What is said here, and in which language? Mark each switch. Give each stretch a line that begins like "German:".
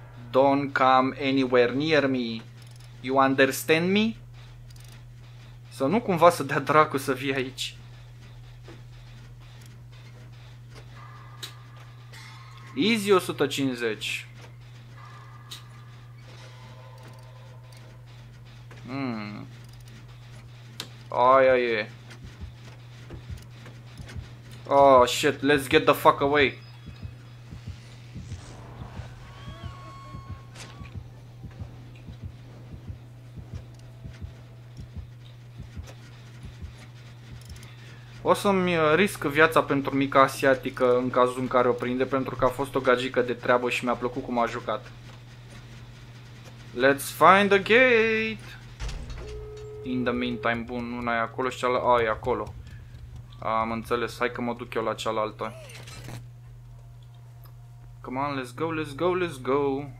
English: Don't come anywhere near me. You understand me?
Romanian: Să nu cumva să dea dracu să vii aici.
English: Easy 150.
Romanian: Aia e.
English: Oh, shit, let's get the fuck away.
Romanian: O să-mi risc viața pentru mica asiatică în cazul în care o prinde, pentru că a fost o gagică de treabă și mi-a plăcut cum a jucat.
English: Let's find the gate! In the meantime,
Romanian: bun, una e acolo și cealaltă... A, e acolo. Am înțeles, hai că mă duc eu la cealaltă.
English: Come on, let's go, let's go, let's go.